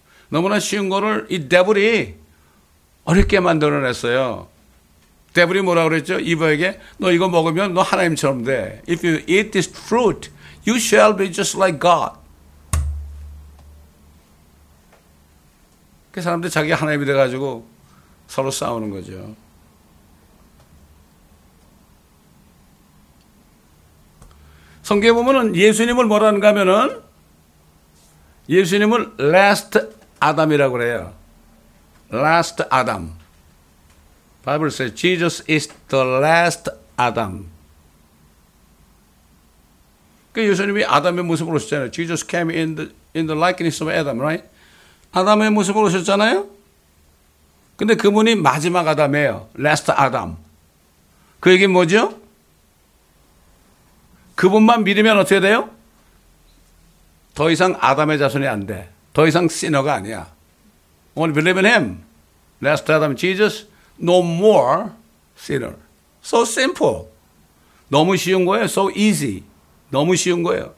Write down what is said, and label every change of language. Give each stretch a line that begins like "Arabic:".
Korean: 너무나 쉬운 거를 이 데블이 어렵게 만들어냈어요. 데블이 뭐라고 그랬죠? 이브에게 너 이거 먹으면 너 하나님처럼 돼.
English: If you eat this fruit, you shall be just like God.
Korean: 그 사람들 자기 하나님이 돼가지고 서로 싸우는 거죠. 성경에 보면은 예수님을 뭐라는가 하면은 예수님을 last Adam이라고 그래요. Last Adam.
English: Bible says Jesus is the last Adam.
Korean: 그 예수님이 아담의 모습으로 오셨잖아요.
English: Jesus came in the likeness of Adam, right?
Korean: 아담의 모습으로 오셨잖아요. 근데 그분이 마지막 아담이에요. Last Adam. 그 얘기는 뭐죠? 그분만 믿으면 어떻게 돼요? 더 이상 아담의 자손이 안 돼. 더 이상 시너가 아니야.
English: Only believe in him. Last Adam, Jesus, no more sinner. So simple.
Korean: 너무 쉬운 거예요.
English: So easy.
Korean: 너무 쉬운 거예요.